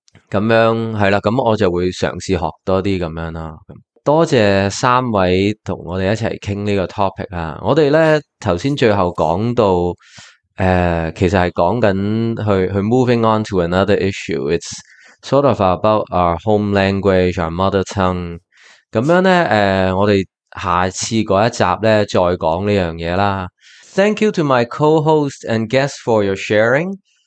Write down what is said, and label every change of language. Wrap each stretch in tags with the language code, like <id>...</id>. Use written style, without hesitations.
<yue>咁样系啦，咁我就会尝试学多啲咁样啦。多谢三位同我哋一齐倾呢个 topic 啊！我哋咧头先最后讲到，其实系讲紧去</yue> <en>moving on to another issue。 It's sort of about our home language, our mother tongue。</en> <yue>咁样咧，我哋下次嗰一集咧再讲呢样嘢啦。</yue> <en>Thank you to my co-host and guest for your sharing.</en>